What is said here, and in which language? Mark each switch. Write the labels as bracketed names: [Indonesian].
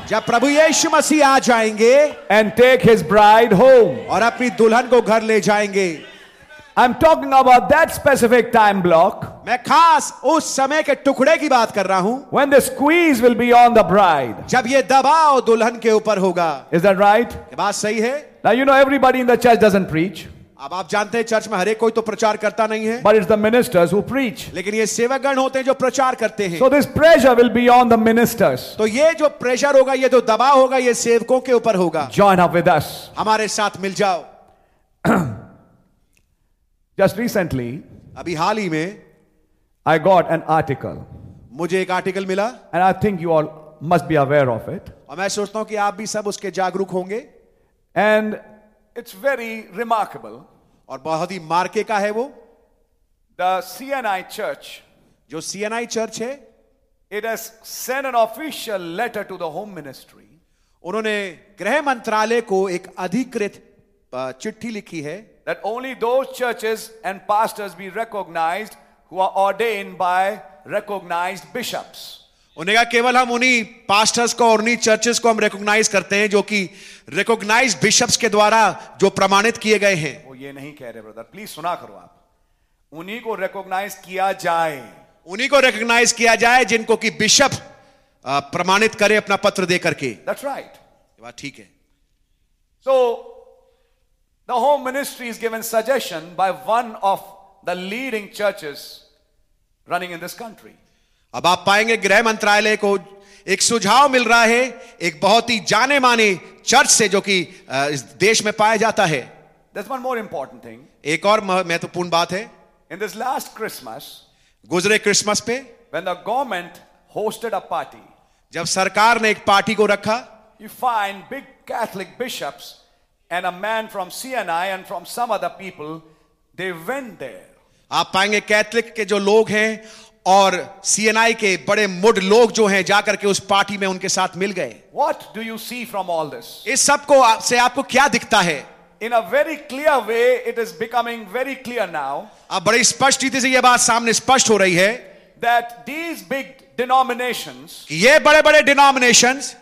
[Hindi] जब प्रभु यीशु मसीह आ जाएंगे, [English] and take His bride home, [Hindi] और अपनी दुल्हन को घर ले जाएंगे. [English] I'm talking about that specific time block. [Hindi] मैं खास उस समय के टुकड़े की बात कर रहा हूँ. [English] When the squeeze will be on the bride, [Hindi] जब ये दबाव दुल्हन के ऊपर होगा. [English] Is that right? [Hindi] ये बात सही है? [English] Now you know everybody in the church doesn't preach. [Hindi] अब आप जानते हैं चर्च में हर एक कोई तो प्रचार करता नहीं है. [English] But it's the ministers who preach. [Hindi] लेकिन ये सेवकगण होते हैं जो प्रचार करते हैं. [English] So this pressure will be on the ministers. [Hindi] तो ये जो प्रेशर होगा, ये जो दबाव होगा, ये सेवकों के ऊपर होगा. [English] Join up with us. [Hindi] हमारे साथ मिल जाओ. [English] Just recently, [Hindi] अभी हाल ही में, [English] I got an article. [Hindi] मुझे एक आर्टिकल मिला. [English] And I think you all must be aware of it. [Hindi] और मैं सोचता हूं कि आप भी सब उसके जागरूक होंगे. [English] And it's very remarkable. [Hindi] और बहुत ही मार्के का है वो. [English] The CNI Church, [Hindi] जो CNI Church है, [English] it has sent an official letter to the Home Ministry. [Hindi] उन्होंने गृह मंत्रालय को एक अधिकृत चिट्ठी लिखी है. [English] That only those churches and pastors be recognized who are ordained by recognized bishops. [Hindi] उन्हें कहा केवल हम उन्हीं पास्टर्स को और उन्हीं चर्चेस को हम रिकॉग्नाइज करते हैं जो कि रिकॉग्नाइज्ड बिशप्स के द्वारा जो प्रमाणित किए गए हैं. वो ये नहीं कह रहे ब्रदर, प्लीज सुना करो आप. उन्हीं को रिकॉग्नाइज किया जाए, उन्हीं को रिकॉग्नाइज किया जाए जिनको कि बिशप प्रमाणित करे अपना पत्र दे करके. [English] that's right, [Hindi] ठीक है. [English] So the home ministry is given suggestion by one of the leading churches running in this country. [Hindi] अब आप पाएंगे गृह मंत्रालय को एक सुझाव मिल रहा है एक बहुत ही जाने माने चर्च से जो कि इस देश में पाया जाता है. [English] That's one more important thing. [Hindi] एक और महत्वपूर्ण बात है. [English] In this last Christmas, [Hindi] गुजरे क्रिसमस पे, [English] when the government hosted a party, [Hindi] जब सरकार ने एक पार्टी को रखा, [English] you find big Catholic bishops and a man from CNI and from some other people, they went there. [Hindi] आप पाएंगे कैथलिक के जो लोग हैं और CNI के बड़े मुड लोग जो हैं जाकर के उस पार्टी में उनके साथ मिल गए. [English] What do you see from all this? [Hindi] इस सब को से आपको क्या दिखता है? [English] In a very clear way, it is becoming very clear now. [Hindi] अब बड़ी स्पष्ट रीति से यह बात सामने स्पष्ट हो रही है. [English] That these big denominations, [Hindi] ये बड़े बड़े denominations,